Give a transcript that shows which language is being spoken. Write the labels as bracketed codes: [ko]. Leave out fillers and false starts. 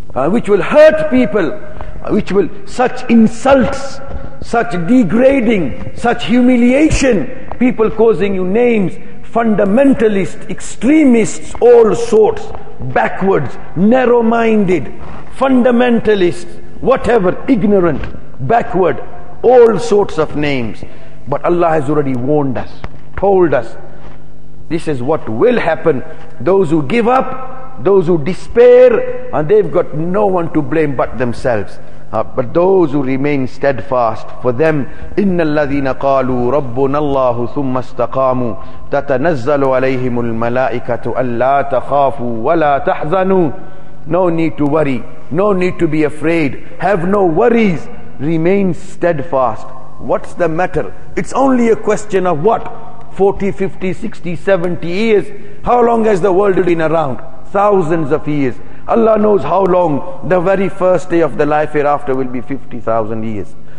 [en] which will hurt people, which will, such insults, such degrading, such humiliation, people causing you names, fundamentalists, extremists, all sorts, backwards, narrow-minded, fundamentalists, whatever, ignorant, backward, all sorts of names. But Allah has already warned us, told us, this is what will happen. Those who give up, those who despair, and they've got no one to blame but themselves. But those who remain steadfast, for them, [ar] إِنَّ الَّذِينَ قَالُوا رَبُّنَ اللَّهُ ثُمَّ اسْتَقَامُوا تَتَنَزَّلُ عَلَيْهِمُ الْمَلَائِكَةُ أَلَّا تَخَافُوا وَلَا تَحْزَنُوا. [en] No need to worry, no need to be afraid, have no worries, remain steadfast. What's the matter? It's only a question of what? 40, 50, 60, 70 years. How long has the world been around? Thousands of years. Allah knows how long the very first day of the life hereafter will be, 50,000 years.